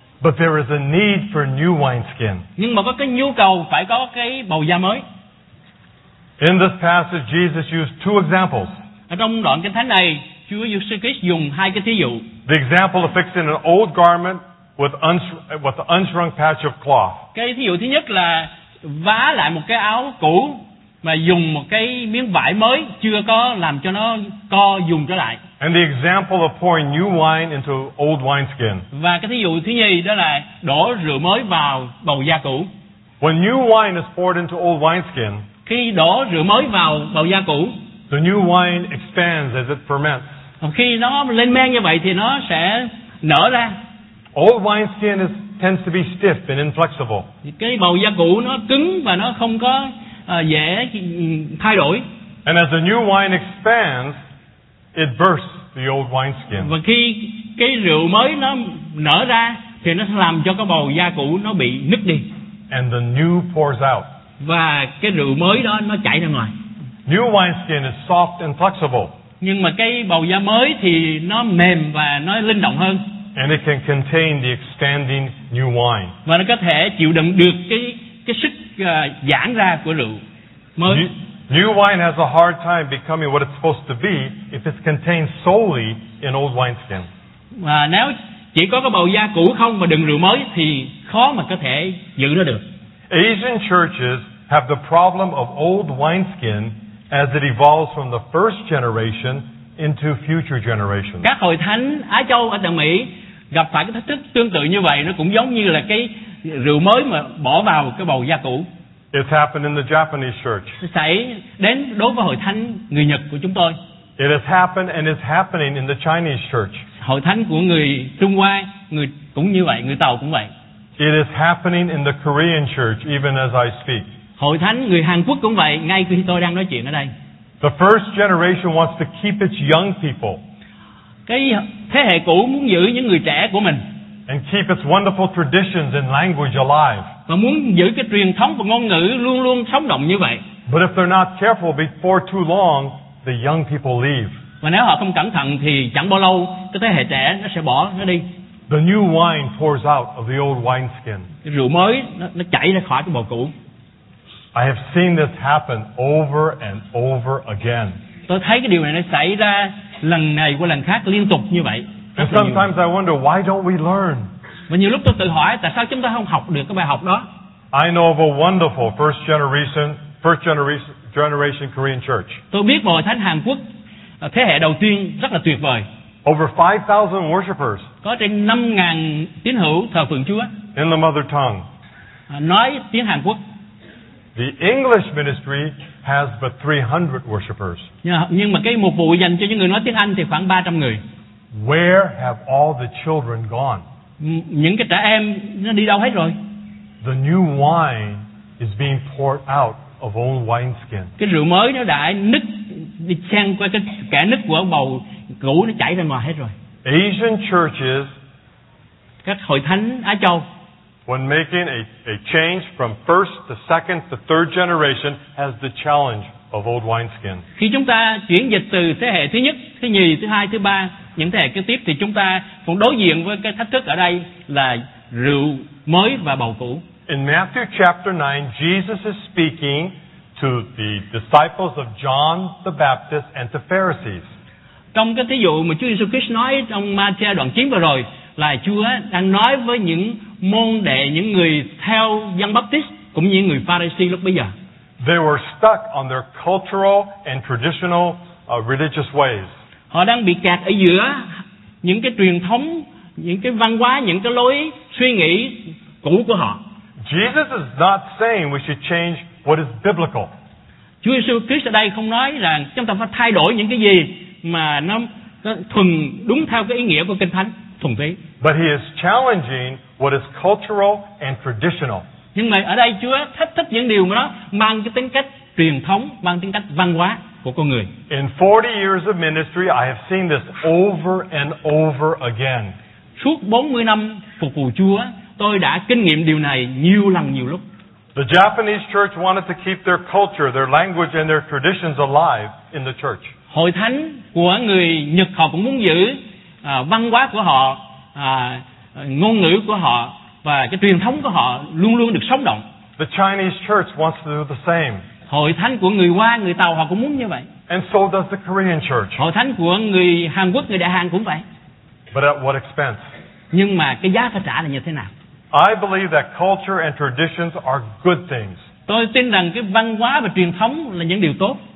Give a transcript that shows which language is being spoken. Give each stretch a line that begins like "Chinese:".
English: But there is a need for a new wineskin.
Vietnamese: Nhưng mà có cái nhu cầu phải có cái bầu da mới.
English: In this passage, Jesus used two examples.
Vietnamese: Ở trong đoạn kinh thánh này, Chúa Jesus Christ dùng hai cái thí dụ.
English: The example of fixing an old garment with an unshrunk patch of cloth.
Vietnamese: Cái thí dụ thứ nhất là vá lại một cái áo cũ mà dùng một cái miếng vải mới chưa có làm cho nó co dùng trở lại.
English: And the example of pouring new wine into old wineskin.
Vietnamese: Và cái thí dụ thứ nhì đó là đổ rượu mới vào bầu da cũ.
English: When new wine is poured into old wineskin,
Vietnamese: khi đổ rượu mới vào bầu da cũ,
English: the new wine expands as it ferments.
Vietnamese: Khi nó lên men như vậy thì nó sẽ nở ra.
English: Old wineskin tends to be stiff and inflexible.
Vietnamese: Cái bầu da cũ nó cứng và nó không có dễ thay đổi.
English: And as the new wine expands, it bursts the old wineskin.
Vietnamese: Và khi cái rượu mới nó nở ra thì nó làm cho cái bầu da cũ nó bị nứt đi.
English: and the new pours out.
Vietnamese: Và cái rượu mới đó nó chảy ra ngoài.
English: New wineskin is soft and flexible.
Vietnamese: Nhưng mà cái bầu da mới thì nó mềm và nó linh động hơn.
English: And it can contain the expanding new wine.
Vietnamese: Và nó có thể chịu đựng được cái sức giãn ra của rượu mới.
English: New wine has a hard time becoming what it's supposed to be if it's contained solely in old wineskin.
Vietnamese: Và nếu chỉ có cái bầu da cũ không mà đựng rượu mới thì khó mà có thể giữ nó được.
English: Asian churches have the problem of old wineskin as it evolves from the first generation into future generations.
Vietnamese: Các hội thánh Á Châu ở Đông Mỹ gặp phải cái thách thức tương tự như vậy, nó cũng giống như là cái rượu mới mà bỏ vào cái bầu da cũ.
English: It's happened in the Japanese church.
Vietnamese: Xảy đến đối với hội thánh người Nhật của chúng tôi.
English: It has happened and is happening in the Chinese church.
Vietnamese: Hội thánh của người Trung Hoa, người cũng như vậy, người Tàu cũng vậy.
English: It is happening in the Korean church even as I speak.
Vietnamese: Hội thánh người Hàn Quốc cũng vậy, ngay khi tôi đang nói chuyện ở đây.
English: The first generation wants to keep its young people.
Vietnamese: Cái thế hệ cũ muốn giữ những người trẻ của mình.
English: And keep its wonderful traditions and language alive.
Vietnamese: Và muốn giữ cái truyền thống và ngôn ngữ luôn luôn sống động như vậy.
English: But if they're not careful, before too long, the young people leave.
Vietnamese: Và nếu họ không cẩn thận thì chẳng bao lâu cái thế hệ trẻ nó sẽ bỏ nó đi.
English: The new wine pours out of the old wineskin.
Vietnamese: Cái rượu mới nó chảy ra khỏi cái bầu cũ.
English: I have seen this happen over and over again.
Vietnamese: Tôi thấy cái điều này nó xảy ra lần này qua lần khác liên tục như vậy.
English: And sometimes I wonder why don't we learn?
Vietnamese: Và nhiều lúc tôi tự hỏi tại sao chúng ta không học được cái bài học đó.
English: I know of a wonderful first generation Korean church.
Vietnamese: Tôi biết một hội thánh Hàn Quốc thế hệ đầu tiên rất là tuyệt vời.
English: Over 5,000 worshippers.
Vietnamese: Có trên 5,000 tín hữu thờ phượng Chúa.
English: In the mother tongue.
Vietnamese: Nói tiếng Hàn Quốc.
English: The English ministry has but 300 worshippers.
Vietnamese: Nhưng mà cái mục vụ dành cho những người nói tiếng Anh thì khoảng 300 người.
English: Where have all the children gone?
Vietnamese: Những cái trẻ em nó đi đâu hết rồi?
English: The new wine is being poured out of old wineskin.
Vietnamese: Cái rượu mới nó đã nứt đi xen qua cái kẽ nứt của bầu cũ, nó chảy ra ngoài hết rồi.
English: Asian churches,
Vietnamese: các hội thánh Á Châu,
English: when making a change from first to second to third generation, has the challenge of old wineskin.
Vietnamese: Khi chúng ta chuyển dịch từ thế hệ thứ nhất, thứ nhì, thứ hai, thứ ba, những thế hệ kế tiếp, thì chúng ta cũng đối diện với cái thách thức ở đây là rượu mới và bầu cũ.
English: In Matthew chapter 9, Jesus is speaking to the disciples of John the Baptist and to Pharisees.
Vietnamese: Trong cái thí dụ mà Chúa Jesus Christ nói trong Matthew đoạn 9 vừa rồi, là Chúa đang nói với những môn đệ, những người theo dân Baptist cũng như người Pharisee lúc bây giờ.
English: They were stuck on their cultural and traditional religious ways.
Vietnamese: Họ đang bị kẹt ở giữa những cái truyền thống, những cái văn hóa, những cái lối suy nghĩ cũ của họ.
English: Jesus is not saying we should change what is biblical.
Vietnamese: Chúa Giêsu Christ ở đây không nói rằng chúng ta phải thay đổi những cái gì mà nó thuần đúng theo cái ý nghĩa của Kinh Thánh thuần túy.
English: But he is challenging what is cultural and traditional.
Vietnamese: Nhưng mà ở đây Chúa thách thức những điều mà nó mang cái tính cách truyền thống, mang tính cách văn hóa của con người.
English: In 40 years of ministry, I have seen this over and over again.
Vietnamese: Suốt 40 năm phục vụ Chúa, tôi đã kinh nghiệm điều này nhiều lần nhiều lúc.
English: The Japanese church wanted to keep their culture, their language and their traditions alive in the church.
Vietnamese: Hội thánh của người Nhật họ cũng muốn giữ văn hóa của họ, ngôn ngữ của họ và cái truyền thống của họ luôn luôn được sống động.
English: The Chinese church wants to do the same.
Vietnamese: Hội thánh của người Hoa, người Tàu họ cũng muốn như vậy.
English: And so does the Korean church.
Vietnamese: Hội thánh của người Hàn Quốc, người Đại Hàn cũng vậy.
English: But at what expense?
Vietnamese: Nhưng mà cái giá phải trả là như thế nào?
English: I believe that culture and traditions are good things.
Vietnamese: Tôi tin rằng cái văn hóa và truyền thống là những điều tốt.